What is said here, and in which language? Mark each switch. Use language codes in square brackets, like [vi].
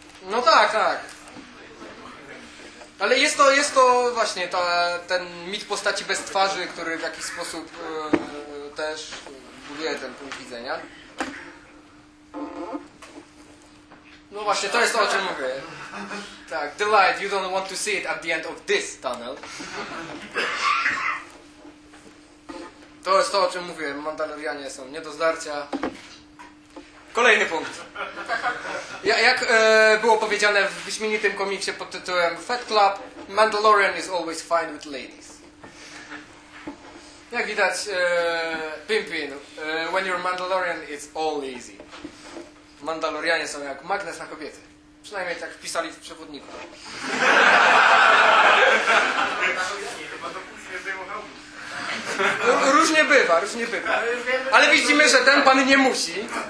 [pl] No tak, tak. Ale jest to właśnie ten mit postaci bez twarzy, który w jakiś sposób też buduje ten punkt widzenia. No właśnie, to jest to, o czym mówię. Tak, [en] the light, you don't want to see it at the end of this tunnel. [pl] To jest to, o czym mówiłem. Mandalorianie są nie do zdarcia. Kolejny punkt. Jak było powiedziane w wyśmienitym komiksie pod tytułem Fat Club, [en] Mandalorian is always fine with ladies. [pl] Jak widać, [en] Pimpin, when you're Mandalorian, it's all easy. [pl] Mandalorianie są jak magnes na kobiety. Przynajmniej tak wpisali w przewodniku. Różnie bywa, różnie bywa. Ale widzimy, że ten pan nie musi.